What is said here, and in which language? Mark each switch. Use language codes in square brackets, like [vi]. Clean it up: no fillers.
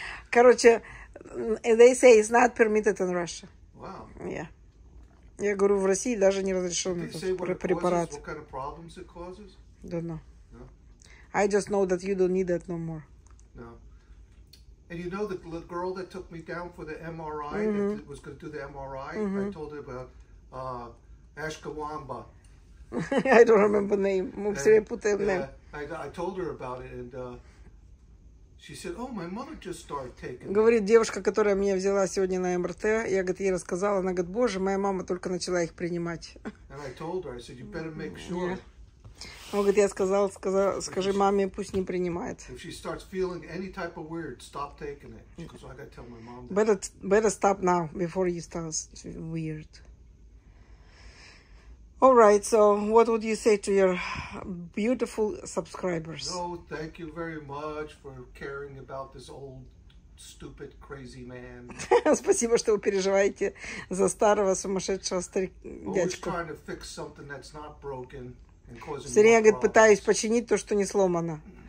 [en] Короче, they say it's not permitted in Russia. Wow. Yeah. [ru] Я говорю, в России даже не разрешен этот препарат. [en] What kind of problems it causes? Don't know. No? I just know that you don't need that no more. No. And you know the girl that took me down for the MRI, mm-hmm. that was going to do the MRI, mm-hmm. I told her about Ashkawamba. I don't remember the name. I told her about it, and She said, oh, my mother just started taking. [ru] Говорит, девушка, которая меня взяла сегодня на МРТ, я, говорит, ей рассказала, она говорит, боже, моя мама только начала их принимать. [en] And I told her, I said, you better make sure. [ru] Он говорит, я сказал, скажи маме, пусть не принимает. [en] If she starts feeling any type of weird, stop taking it. Because I gotta tell my mom. Better stop now, before you start weird. All right, so what would you say to your beautiful subscribers? No, thank you very much for caring about this old, stupid, crazy man. [ru] Спасибо, что вы переживаете за старого сумасшедшего дядьку. [en] Always trying to fix something that's not broken. [ru] Все время, говорит, пытаюсь починить то, что не сломано.